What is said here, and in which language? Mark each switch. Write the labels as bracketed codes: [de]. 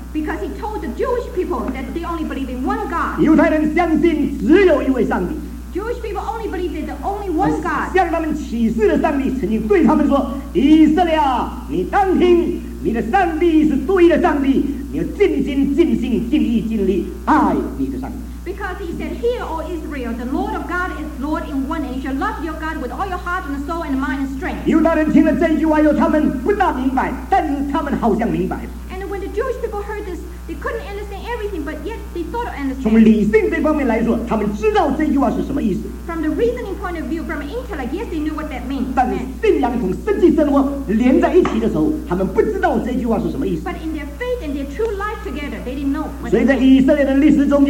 [en] Because he told the Jewish people that they only believe in one God. [zh] 犹太人相信只有一位上帝。 [en] Jewish people only believe in the only one God. [zh] 向他们启示的上帝曾经对他们说：“以色列啊，你当听。” 你的上帝是独一的上帝，你要尽心、尽性、尽意、尽力爱你的上帝。 [en] Because he said, Hear, O Israel, the Lord of God is Lord in one, and you shall love your God with all your heart and soul and mind and strength. [zh] 犹太人听了这句话后，他们不大明白，但是他们好像明白了。 [en] And when the Jewish people heard this, they couldn't understand everything, but yet they thought of understanding. [zh] 从理性这方面来说，他们知道这句话是什么意思。 [en] From the reasoning point of view, from an intellect, yes, they knew what that means. [zh] 但是信仰同实际生活连在一起的时候，他们不知道这句话是什么意思。 [en] But in their faith and their true life together, they didn't know what that means.